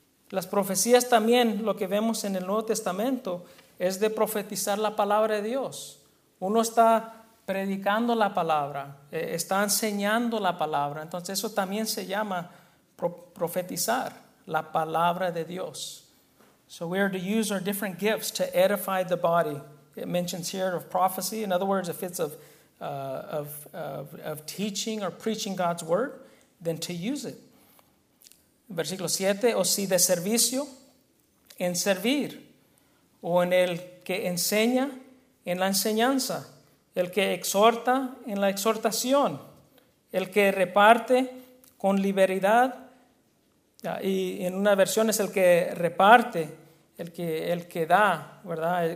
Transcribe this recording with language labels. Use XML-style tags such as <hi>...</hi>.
<es>Las profecías también, lo que vemos en el Nuevo Testamento, es de profetizar la palabra de Dios. Uno está predicando la palabra, está enseñando la palabra. Entonces eso también se llama profetizar la palabra de Dios.</es> <en>So we are to use our different gifts to edify the body. It mentions here of prophecy. In other words, if it's of teaching or preaching God's word, then to use it.</en> <es>Versículo 7, o si de servicio, en servir, o en el que enseña, en la enseñanza, el que exhorta, en la exhortación, el que reparte con liberalidad, y en una versión es el que reparte, el que da, ¿verdad?</es>